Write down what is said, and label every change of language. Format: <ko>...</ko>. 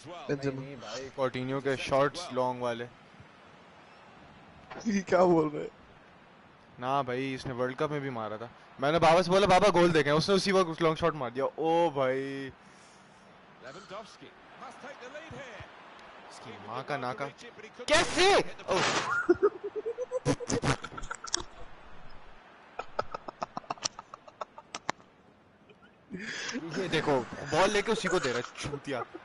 <hi>नहीं भाई Coutinho के shorts long वाले, ये क्या बोल रहे, ना भाई इसने world cup में भी मारा था, मैंने बाबा से बोला बाबा goal देखें, उसने उसी वक्त long shot मार दिया, ओ भाई,</hi> <en>Lewandowski must take the lead here.</en> <hi>माँ का ना का कैसे ये देखो बॉल लेके उसी को दे रहा चूतिया।</hi>